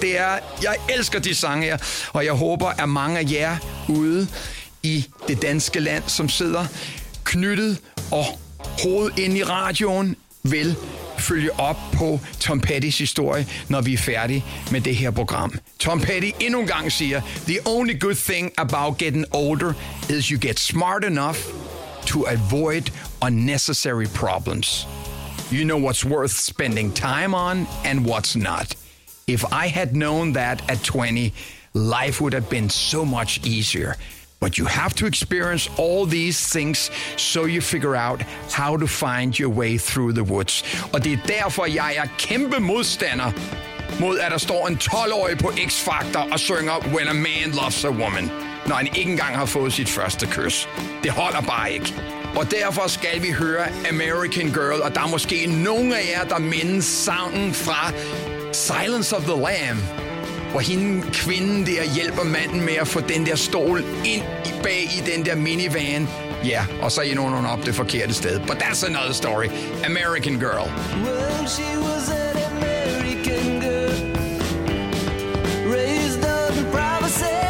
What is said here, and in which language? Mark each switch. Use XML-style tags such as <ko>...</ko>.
<da>Det er, jeg elsker de sange her, og jeg håber, at mange af jer ude i det danske land, som sidder knyttet og hovedet ind i radioen, vil følge op på Tom Pettys historie, når vi er færdige med det her program.</da> <en>Tom Petty</en> <da>endnu en gang siger,</da> <en>the only good thing about getting older is you get smart enough to avoid unnecessary problems. You know what's worth spending time on and what's not. If I had known that at 20, life would have been so much easier. But you have to experience all these things, so you figure out how to find your way through the woods.</en> <da>Og det er derfor, jeg er kæmpe modstander mod, at der står en 12-årig på X-Factor og synger When a Man Loves a Woman, når han ikke engang har fået sit første kys. Det holder bare ikke. Og derfor skal vi høre American Girl, og der er måske nogen af jer, der mindes sounden fra Silence of the Lamb, hvor hende kvinden der hjælper manden med at få den der stol ind i bag i den der minivan. Ja, og så ender hun op det forkerte sted.</da> <en>But that's another story. American Girl. When she was an American girl, raised on privacy.</en>